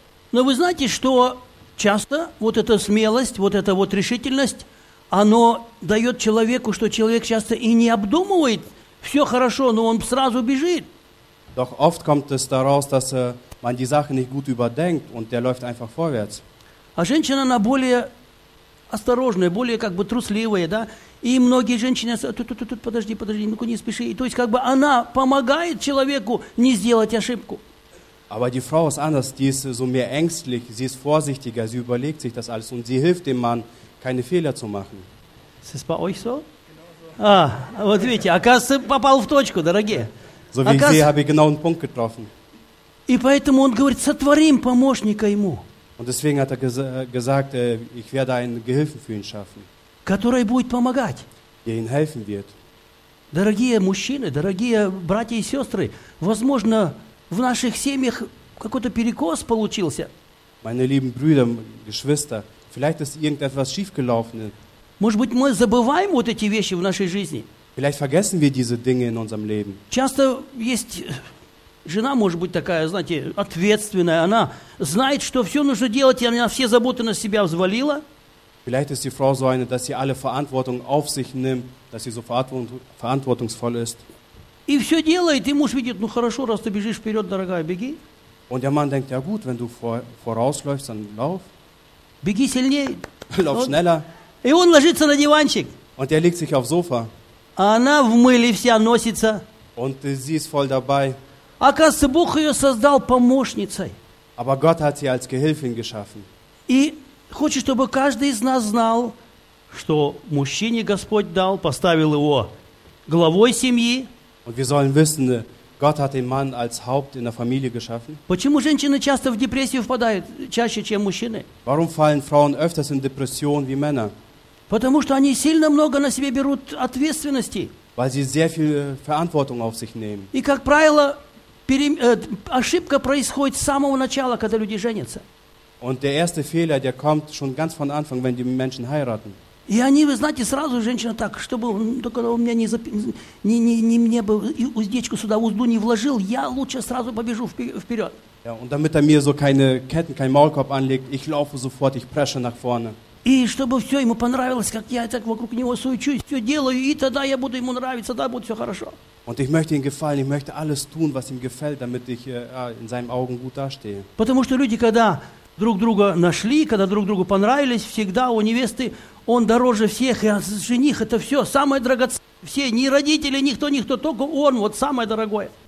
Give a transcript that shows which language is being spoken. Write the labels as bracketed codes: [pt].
[ru] Но вы знаете, что часто вот эта смелость, вот эта вот решительность, оно дает человеку, что человек часто и не обдумывает, все хорошо, но он сразу бежит. [de] Doch oft kommt es daraus, dass man die Sache nicht gut überdenkt und der läuft einfach vorwärts. [ru] А женщина, она более осторожная, более как бы трусливая, да? И многие женщины, тут, подожди, ну-ка не спеши. И, то есть как бы она помогает человеку не сделать ошибку. [de] Aber die Frau ist anders, die ist so mehr ängstlich, sie ist vorsichtiger, sie überlegt sich das alles und sie hilft dem Mann, keine Fehler zu machen. Ist es bei euch so? Genau so. [ru] Ah, вот видите, оказывается, попал в точку, дорогие. [de] So wie ich sehe, habe ich genau einen Punkt getroffen. [ru] И поэтому он говорит, сотворим помощника ему. [de] Und deswegen hat er gesagt, ich werde einen Gehilfen für ihn schaffen. [ru] Который будет помогать. [de] Der ihm helfen wird. [ru] Дорогие мужчины, дорогие братья и сестры, возможно, в наших семьях какой-то перекос получился. [de] Meine lieben Brüder, Geschwister, vielleicht ist irgendetwas schiefgelaufen. [ru] Может быть, мы забываем вот эти вещи в нашей жизни? [de] Vielleicht vergessen wir diese Dinge in unserem Leben. [ru] Часто есть жена, может быть, такая, знаете, ответственная. Она знает, что все нужно делать, и она все заботы на себя взвалила. [de] Vielleicht ist die Frau so eine, dass sie alle Verantwortung auf sich nimmt, dass sie so verantwortungsvoll ist. [ru] И все делает, и муж видит, ну хорошо, раз ты бежишь вперед, дорогая, беги. [de] Und der Mann denkt, ja gut, wenn du vorausläufst, dann lauf. [ru] Беги сильнее. [de] Lauf schneller. [ru] И он ложится на диванчик. [de] Und er legt sich auf Sofa. [ru] А она в мыле вся носится. [de] Und sie ist voll dabei. [ru] Оказывается, Бог ее создал помощницей. [de] Aber Gott hat sie als Gehilfin geschaffen. [ru] И хочет, чтобы каждый из нас знал, что мужчине Господь дал, поставил его главой семьи. [de] Und wir sollen wissen, Gott hat den Mann als Haupt in der Familie geschaffen. [ru] Почему женщины часто в депрессию впадают, чаще, чем мужчины? [de] Warum fallen Frauen öfters in Depression wie Männer? [ru] Потому что они сильно много на себе берут ответственности. [de] Weil sie sehr viel Verantwortung auf sich nehmen. [ru] И, как правило, ошибка происходит с самого начала, когда люди женятся. [de] Und der erste Fehler, der kommt schon ganz von Anfang, wenn die Menschen heiraten. [ru] И они, вы знаете, сразу женщина так, чтобы только он меня не мне бы уздечку сюда, узду не вложил, я лучше сразу побежу вперед. [de] Ja, und damit mir so keine Ketten, kein Maulkorb anlegt, ich laufe sofort, ich presche nach vorne. [ru] И чтобы все ему понравилось, как я так вокруг него суечусь, все делаю, и тогда я буду ему нравиться, тогда будет все хорошо. [de] Und ich möchte ihm gefallen, ich möchte alles tun, was ihm gefällt, damit ich in seinen Augen gut dastehe. [ru] Потому что люди, когда друг друга нашли, когда друг другу понравились, всегда у невесты он дороже всех, и жених это все, самое драгоценное, все, ни родители, никто, только он, вот самое дорогое.